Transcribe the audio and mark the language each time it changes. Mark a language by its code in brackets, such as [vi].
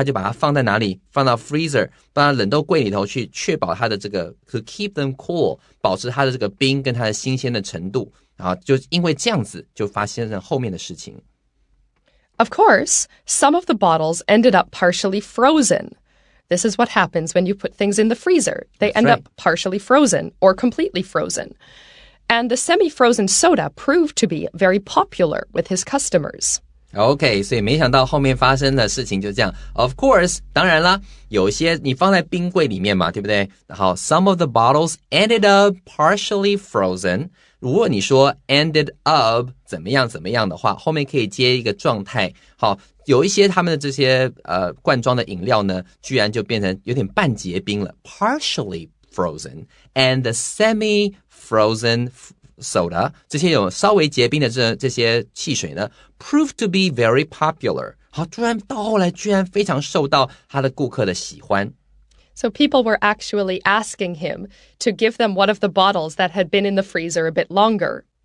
[zh] 结果呢，他想说，不行啊，这个汽水如果说故障的话，你把它放在那边，它久了之后它就不好喝了，所以他就把它放在哪里？放到 freezer， 放在冷冻柜里头去，确保它的这个 [en] to keep them cool， [zh] 保持它的这个冰跟它的新鲜的程度。然后就因为这样子，就发现了后面的事情。 [en] Of course, some of the bottles ended up partially frozen. This is what happens when you put things in the freezer. They end up partially frozen or completely frozen. And the semi-frozen soda proved to be very popular with his customers. [zh] Okay, 所以没想到后面发生的事情就这样。 [en] Of course, [zh] 当然啦，有些你放在冰柜里面嘛，对不对？ [en] 然后 some of the bottles ended up partially frozen. [zh] 如果你说 ended up 怎么样怎么样的话，后面可以接一个状态。好，有一些他们的这些罐装的饮料呢，居然就变成有点半结冰了。 [en] Partially frozen and the semi-frozen soda [zh] 这些有稍微结冰的这些汽水呢 ， [en] proved to be very popular. [zh] 好，突然到后来居然非常受到他的顾客的喜欢。 [en] So people were actually asking him to give them one of the bottles that had been in the freezer a bit longer.